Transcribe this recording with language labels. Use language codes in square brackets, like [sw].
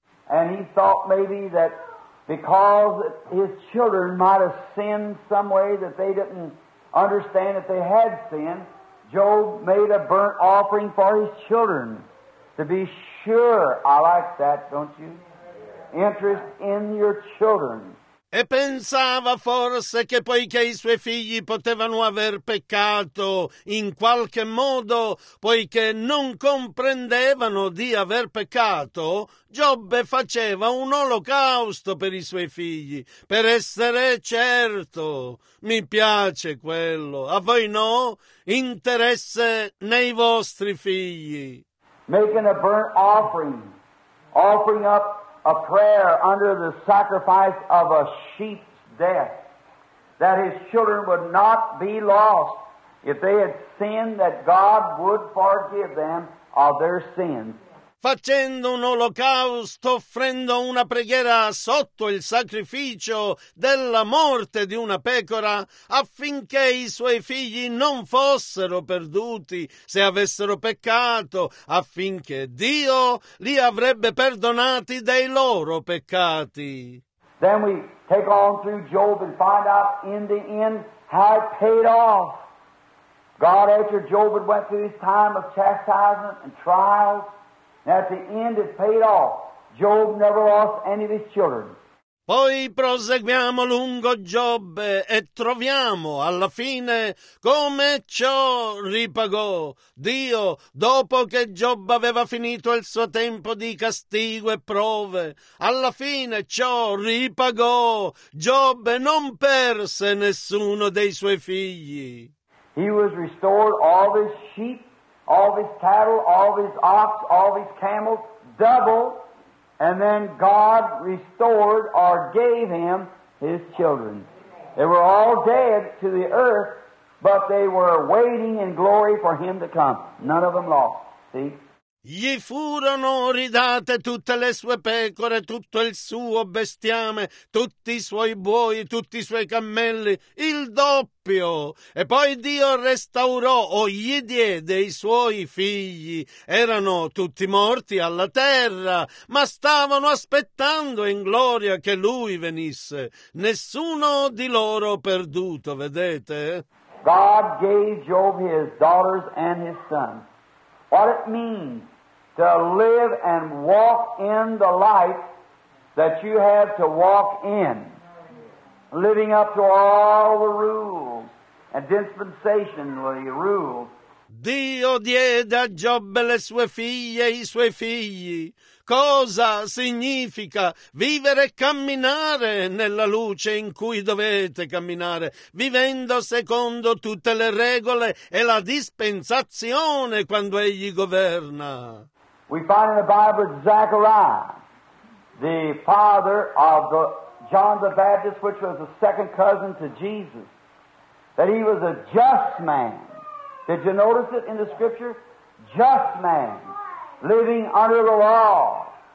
[en] And he thought maybe that because his children might have sinned some way that they didn't understand that they had sinned, Job made a burnt offering for his children. To be sure, I like that, don't you? Interest in your children. [it] E pensava forse che poiché i suoi figli potevano aver peccato in qualche modo, poiché non comprendevano di aver peccato, Giobbe faceva un olocausto per i suoi figli, per essere certo. Mi piace quello. A voi no? Interesse nei vostri figli. [en] Making a burnt offering, offering up a prayer under the sacrifice of a sheep's death, that his children would not be lost. If they had sinned, that God would forgive them of their sins. [it] Facendo un olocausto, offrendo una preghiera sotto il sacrificio della morte di una pecora, affinché i suoi figli non fossero perduti se avessero peccato, affinché Dio li avrebbe perdonati dei loro peccati. [en] Then we take on through Job and find out in the end how it paid off. God, after Job had went through his time of chastisement and trials, at the end it paid off. Job never lost any of his children. [it] Poi proseguiamo lungo Giobbe e troviamo alla fine come ciò ripagò Dio dopo che Giobbe aveva finito il suo tempo di castigo e prove. Alla fine ciò ripagò. Giobbe non perse nessuno dei suoi figli. [en] He was restored all of his sheep, all of his cattle, all of his ox, all of his camels, double. And then God restored or gave him his children. They were all dead to the earth, but they were waiting in glory for him to come. None of them lost. See? [it] Gli furono ridate tutte le sue pecore, tutto il suo bestiame, tutti i suoi buoi, tutti i suoi cammelli, il doppio. E poi Dio restaurò o gli diede i suoi figli. Erano tutti morti alla terra, ma stavano aspettando in gloria che lui venisse. Nessuno di loro perduto, vedete? [en] God gave Job his daughters and his sons. What it means to live and walk in the life that you have to walk in, living up to all the rules and dispensationally rules. [it] Dio diede a Giobbe le sue figlie e i suoi figli. Cosa significa vivere e camminare nella luce in cui dovete camminare, vivendo secondo tutte le regole e la dispensazione quando egli governa? [en] We find in the Bible Zechariah, the father of the John the Baptist, which was the second cousin to Jesus, that he was a just man. Did you notice it in the scripture? Just man, living under the law.